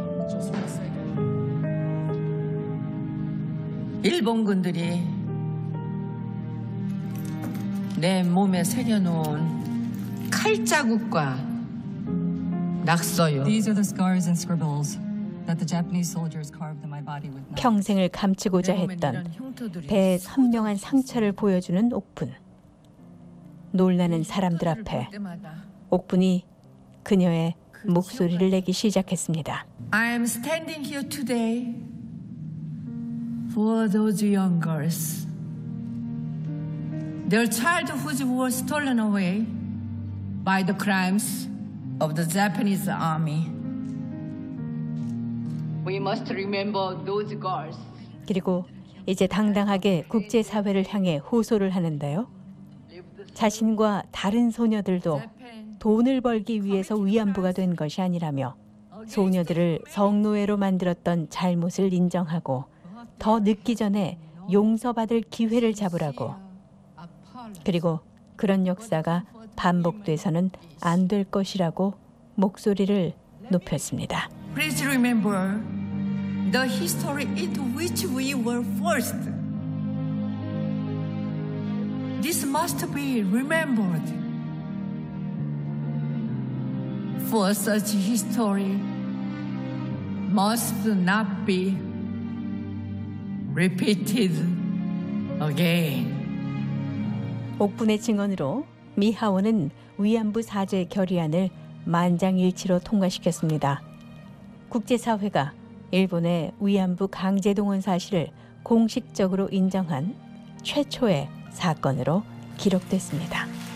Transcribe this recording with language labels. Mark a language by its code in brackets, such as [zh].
[en] Just one second. [ko] 일본군들이 내 몸에 새겨놓은 칼자국과 낙서요. [en] These are the scars and scribbles. That the Japanese soldiers carved my body with. [ko] 평생을 감추고자 했던 배의 선명한 상처를 보여주는 옥분. 놀라는 사람들 앞에 옥분이 그녀의 목소리를 내기 시작했습니다. [en] I am standing here today for those young girls. Their childhoods were stolen away by the crimes of the Japanese army. We must remember those girls. [ko] 그리고 이제 당당하게 국제사회를 향해 호소를 하는데요. 자신과 다른 소녀들도 돈을 벌기 위해서 위안부가 된 것이 아니라며 소녀들을 성노예로 만들었던 잘못을 인정하고 더 늦기 전에 용서받을 기회를 잡으라고. 그리고 그런 역사가 반복돼서는 안 될 것이라고 목소리를 높였습니다. [en] Please remember the history into which we were forced. This must be remembered. For such history must not be repeated again. [ko] 옥분의 증언으로 미 하원은 위안부 사죄 결의안을 만장일치로 통과시켰습니다. 국제사회가 일본의 위안부 강제동원 사실을 공식적으로 인정한 최초의 사건으로 기록됐습니다.